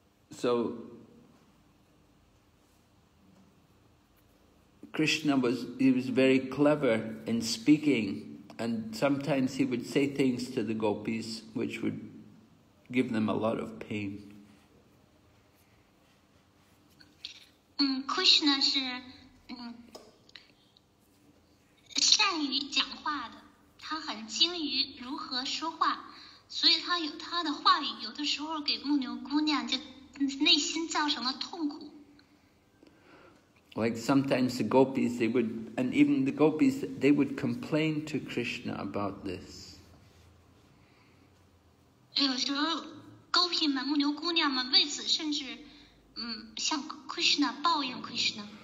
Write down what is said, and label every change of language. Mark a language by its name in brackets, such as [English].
[English] So Krishna was, he was very clever in speaking, and sometimes he would say things to the gopis which would give them a lot of pain. [Chinese] Krishna 是善于讲话的，他很精于如何说话，所以他有他的话语，有的时候给牧牛姑娘就内心造成了痛苦。 [English] Like sometimes the gopis, they would, and even the gopis, they would complain to Krishna about this. [Chinese] 有时候，勾皮们、牧牛姑娘们为此甚至，向 Krishna 抱怨 Krishna.